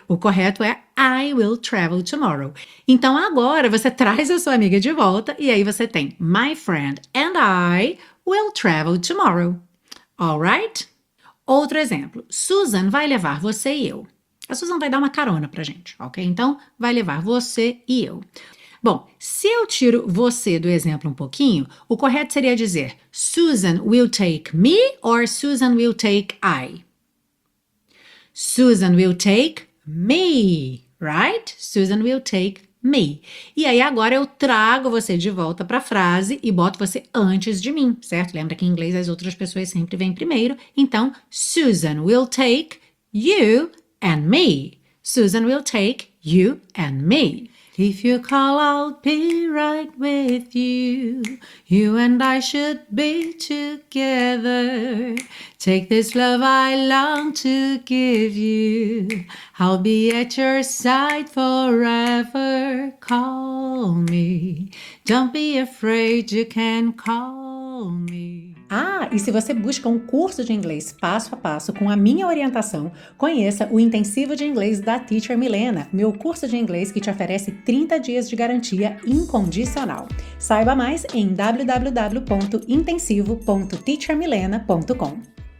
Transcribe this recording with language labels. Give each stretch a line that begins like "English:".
Portuguese: O correto é,
English: I will travel tomorrow.
Portuguese: Então agora você traz a sua amiga de volta e aí você tem,
English: my friend and I will travel tomorrow. Alright?
Portuguese: Outro exemplo, Susan vai levar você e eu. A Susan vai dar uma carona pra gente, ok? Então vai levar você e eu. Bom, se eu tiro você do exemplo um pouquinho, o correto seria dizer
English: Susan will take me or Susan will take I? Susan will take me, right? Susan will take me.
Portuguese: E aí agora eu trago você de volta para a frase e boto você antes de mim, certo? Lembra que em inglês as outras pessoas sempre vêm primeiro.
English: Então, Susan will take you and me. Susan will take you and me. If you call, I'll be right with you. You and I should be together. Take this love I long to give you. I'll be at your side forever. Call me. Don't be afraid, you can call me.
Portuguese: Ah, e se você busca um curso de inglês passo a passo com a minha orientação, conheça o Intensivo de Inglês da Teacher Milena, meu curso de inglês que te oferece 30 dias de garantia incondicional. Saiba mais em www.intensivo.teachermilena.com.